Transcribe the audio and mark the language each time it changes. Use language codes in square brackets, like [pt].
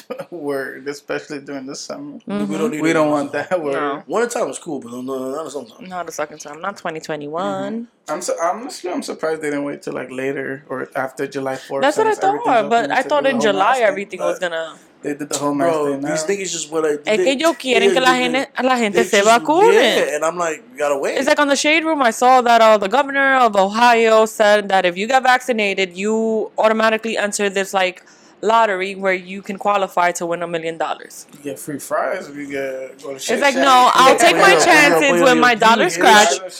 [en] Word. Especially during the summer. Mm-hmm. We don't want that word. No. One time is cool, but not the second time. Not the second time. Not 2021. Mm-hmm. Honestly, I'm surprised they didn't wait till like later or after July 4th. That's what I thought. But I thought in July everything was going to... They did the whole mask thing. These things just were like... [es] Es que yo quieren que la gente se vacune. [en] Yeah, and I'm like, you gotta wait. It's like on the Shade Room, I saw that the governor of Ohio said that if you got vaccinated, you automatically enter this like... lottery where you can qualify to win $1 million. You get free fries if you go to Shake Shack. It's like, no, I'll take my chances with my dollar scratch.